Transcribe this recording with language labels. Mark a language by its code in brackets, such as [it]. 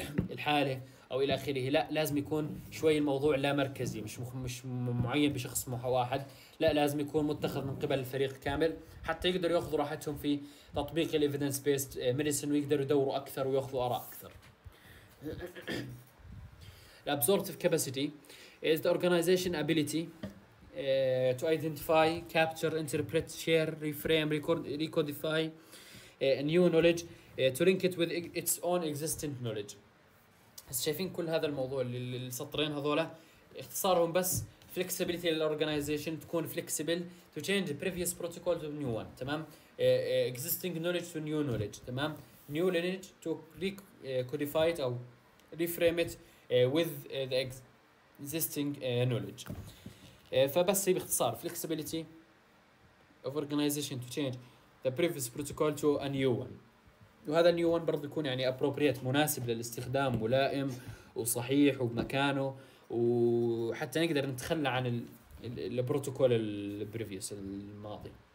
[ar] الحالة أو إلى آخره، لا، لازم يكون شوي الموضوع لا مركزي، مش معين بشخص واحد، لا، لازم يكون متخذ من قبل الفريق كامل حتى يقدر يأخذ راحتهم في تطبيق الـ evidence based medicine ويقدر يدوروا أكثر ويأخذوا أراء أكثر. [en] الـ absorptive capacity is the organization ability to identify, capture, interpret, share, reframe, recodify new knowledge to link it with its own existing knowledge. [ar] هس شايفين كل هذا الموضوع اللي السطرين هذولا اختصارهم بس [en] flexibility للorganization، تكون flexible to change the previous protocol to new one، تمام، existing knowledge to new knowledge، تمام، new knowledge to recodify it أو reframe it with the existing knowledge. [ar] فبس هي باختصار [en] flexibility of organization to change the previous protocol to a new one، [ar] وهذا new one برضو يكون يعني appropriate، مناسب للاستخدام، ملائم وصحيح وبمكانه، وحتى نقدر نتخلى عن البروتوكول البريفيوس الماضي.